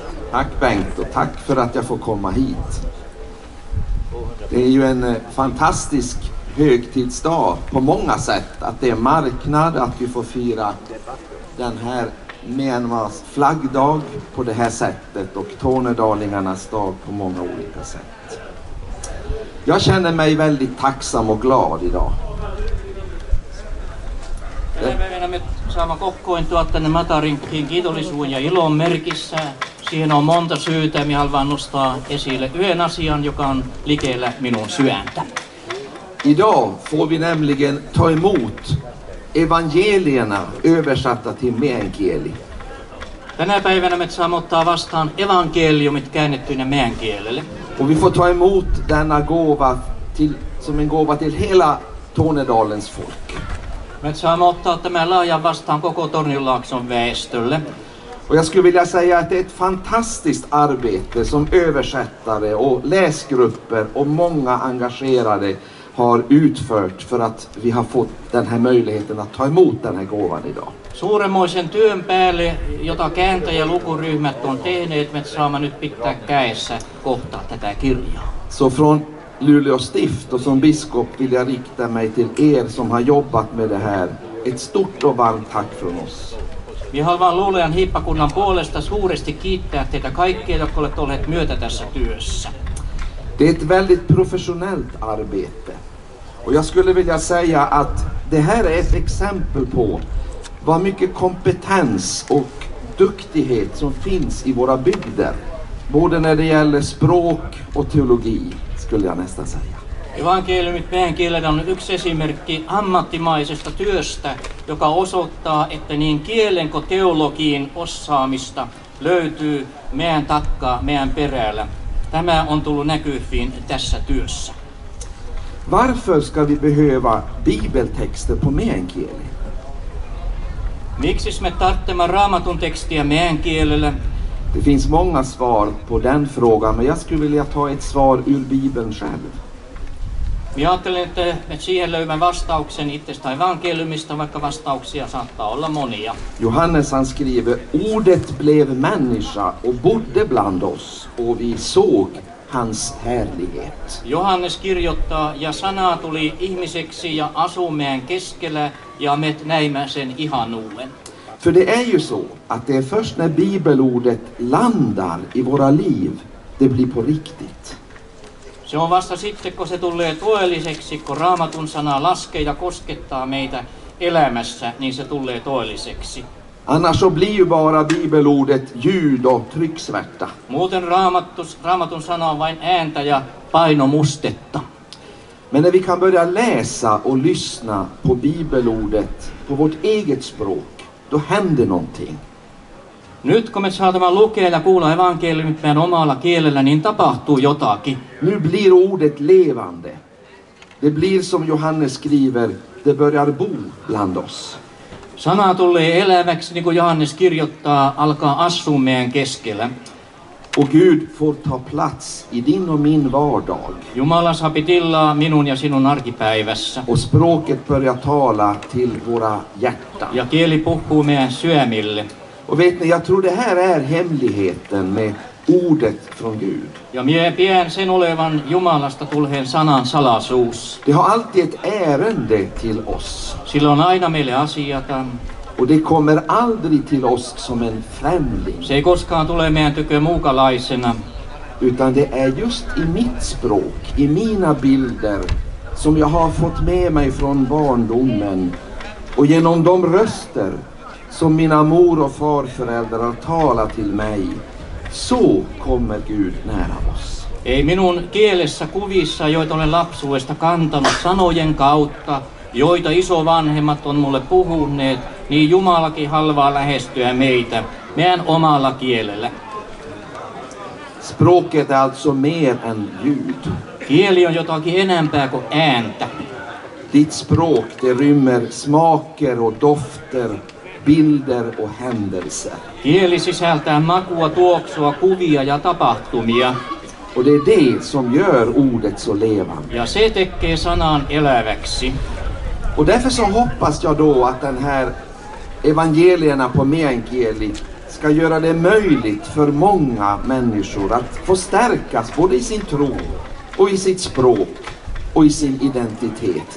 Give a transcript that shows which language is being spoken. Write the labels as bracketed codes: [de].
[sv] Tack Bengt, och tack för att jag får komma hit. Det är ju en fantastisk högtidsdag på många sätt, att det är marknad, att vi får fira den här Myanmars flaggdag på det här sättet och tornedalingarnas dag på många olika sätt. Jag känner mig väldigt tacksam och glad idag. Jag menar med samma [fit] kokkoin tuo tänne Matarinkkiin kiitollisuun ja ilon merkissä. Siihen on monta syytä, mä haluan nostaa esille yhden asian, joka on likellä minun syöntä. [sv] Idag får vi nämligen ta emot evangelierna översatta till meänkieli. [fit] Tänä päivänä me saamme ottaa vastaan evankeliumit käännettynä meänkielelle. [sv] Och vi får ta emot denna gåva till, som en gåva till hela Tornedalens folk. [fit] Me saamme ottaa tämän lahjan vastaan koko Tornionlaakson väestölle. [sv] Och jag skulle vilja säga att det är ett fantastiskt arbete som översättare och läsgrupper och många engagerade har utfört för att vi har fått den här möjligheten att ta emot den här gåvan idag. [fit] Suuremmoisen työn päälle, jota kääntäjä ja lukuryhmät on tehneet, me saamme nyt pitää käessä kohta tätä kirjaa. [sv] Så från Luleå stift och som biskop vill jag rikta mig till er som har jobbat med det här. Ett stort och varmt tack från oss. [fit] Vi haluan Luulean hiippakunnan puolesta suuresti kiittää teitä kaikkia, jotka olette olleet myötä tässä työssä. [sv] Det är ett väldigt professionellt arbete. Och jag skulle vilja säga att det här är ett exempel på vad mycket kompetens och duktighet som finns i våra bygder. Både när det gäller språk och teologi, skulle jag nästan säga. [fit] Evankeliumit meidän kielellä on yksi esimerkki ammattimaisesta työstä, joka osoittaa, että niin kielen kuin teologiin osaamista löytyy meidän takkaa, meidän perällä. Tämä on tullut näkyviin tässä työssä. [sv] Varför ska vi behöva bibeltexter på meänkieli? [fit] Miksi me tarvitsemme raamatun tekstiä meidän kielellä? [sv] Det finns många svar på den frågan, men jag skulle vilja ta ett svar ur Bibeln själv. [fit] Mä ajattelin, että siihen löydän vastauksen itsestä evankeliumista, vaikka vastauksia saattaa olla monia. [sv] Johannes han skriver, ordet blev människa och bodde bland oss, och vi såg hans härlighet. [fit] Johannes kirjoittaa, ja sana tuli ihmiseksi ja asui meidän keskellä, ja me näimme sen ihanuuden. [sv] För det är ju så, att det är först när bibelordet landar i våra liv, det blir på riktigt. [fit] Se on vasta sitten, kun se tulee todelliseksi, kun Raamatun sana laskee ja koskettaa meitä elämässä, niin se tulee todelliseksi. [sv] Annars så blir ju bara bibelordet ljud och trycksvärta. [fit] Muuten Raamatun sana on vain ääntä ja painomustetta. [sv] Men när vi kan börja läsa och lyssna på bibelordet på vårt eget språk, då händer någonting. [fit] Nyt kun me saatamme lukea ja kuulla evankeliumit meidän omalla kielellä, niin tapahtuu jotakin. [sv] Nu blir ordet levande. Det blir som Johannes skriver, det börjar bo bland oss. [fit] Sana tulee eläväksi, niin kuin Johannes kirjoittaa, alkaa asua meidän keskellä. [sv] Och Gud får ta plats i din och min vardag. [fit] Jumala saa pitillaa minun ja sinun arkipäivässä. [sv] Och språket börjar tala till våra hjärtan. [fit] Ja kieli puhuu meidän syömille. [sv] Och vet ni, jag tror det här är hemligheten med ordet från Gud. [fit] Ja mie pien sen olevan Jumalasta tulheen sanan salasuus. [sv] Det har alltid ett ärende till oss. [fit] Sillä on aina meille asiatan. [sv] Och det kommer aldrig till oss som en främling. [fit] Se ei koskaan tule meidän tykö muukalaisena. [sv] Utan det är just i mitt språk, i mina bilder, som jag har fått med mig från barndomen. Och genom de röster som mina mor och farföräldrar talar till mig, så kommer Gud nära oss. [fit] Ei minun kielessä kuvissa, joita olen lapsuudesta kantanut sanojen kautta, joita isovanhemmat on mulle puhuneet, niin Jumalakin halvaa lähestyä meitä, meidän omalla kielellä. [sv] Språket är alltså mer än ljud. [fit] Kieli on jotakin enempää kuin ääntä. [sv] Ditt språk, det rymmer smaker och dofter bilder och händelser. [fit] Kieli sisältää makua, tuoksua, kuvia ja tapahtumia. [sv] Och det är det som gör ordet så levande. [fit] Ja se tekee sanan eläväksi. [sv] Och därför så hoppas jag då att den här evangelierna på meänkieli ska göra det möjligt för många människor att få stärkas både i sin tro och i sitt språk och i sin identitet.